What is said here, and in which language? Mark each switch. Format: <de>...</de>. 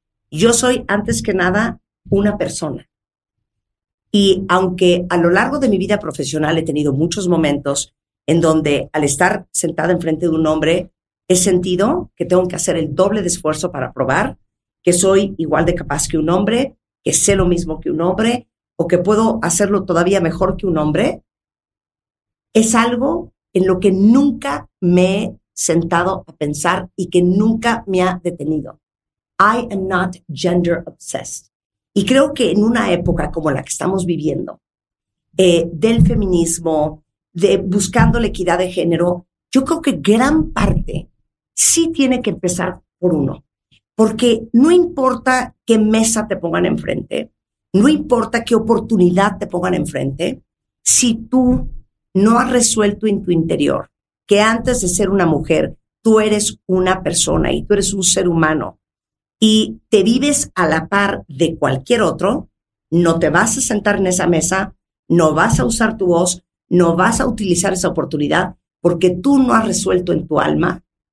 <es>Yo soy, antes que nada, una persona. Y aunque a lo largo de mi vida profesional he tenido muchos momentos en donde al estar sentada enfrente de un hombre, he sentido que tengo que hacer el doble de esfuerzo para probar que soy igual de capaz que un hombre, que sé lo mismo que un hombre o que puedo hacerlo todavía mejor que un hombre, es algo en lo que nunca me he sentado a pensar y que nunca me ha detenido.</es> <en>I am not gender obsessed.</en> <es>Y creo que en una época como la que estamos viviendo, del feminismo, de buscando la equidad de género, yo creo que gran parte sí tiene que empezar por uno. Porque no importa qué mesa te pongan enfrente, no importa qué oportunidad te pongan enfrente, si tú no has resuelto en tu interior que antes de ser una mujer, tú eres una persona y tú eres un ser humano y te vives a la par de cualquier otro, no te vas a sentar en esa mesa, no vas a usar tu voz, no vas a utilizar esa oportunidad porque tú no has resuelto en tu alma</es>